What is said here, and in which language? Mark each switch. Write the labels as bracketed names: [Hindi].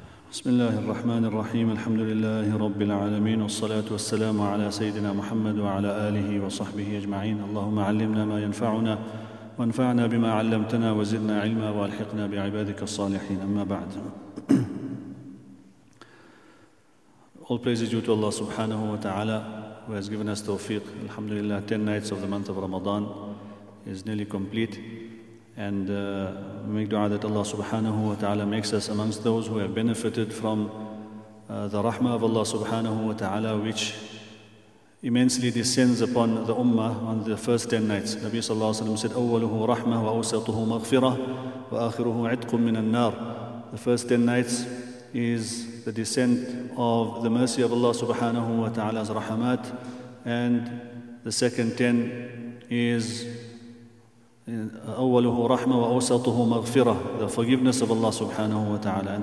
[Arabic] بسم الله الرحمن الرحيم الحمد لله رب العالمين والصلاة والسلام على سيدنا محمد وعلى آله وصحبه أجمعين اللهم علمنا ما ينفعنا وانفعنا بما علمتنا وزدنا علما والحقنا بعبادك الصالحين أما بعد. [English] All praises due to Allah subhanahu wa ta'ala who has given us tawfiq. Alhamdulillah, 10 nights of the month of Ramadan is nearly complete. And we make dua that Allah subhanahu wa ta'ala makes us amongst those who have benefited from the rahmah of Allah subhanahu wa ta'ala, which immensely descends upon the ummah on the first 10 nights. Nabi sallallahu alayhi wa sallam said, [Arabic] أَوَّلُهُ رَحْمَةُ وَأَوْسَطُهُ مَغْفِرَةُ وَآخِرُهُ عِتْقٌ مِّنَ النَّارِ. [English] The first 10 nights is the descent of the mercy of Allah subhanahu wa ta'ala's rahmat, and the second 10 is [Arabic] أَوَّلُهُ رَحْمَةُ وَأَوْسَطُهُ مَغْفِرَةُ, [English] the forgiveness of Allah subhanahu wa ta'ala.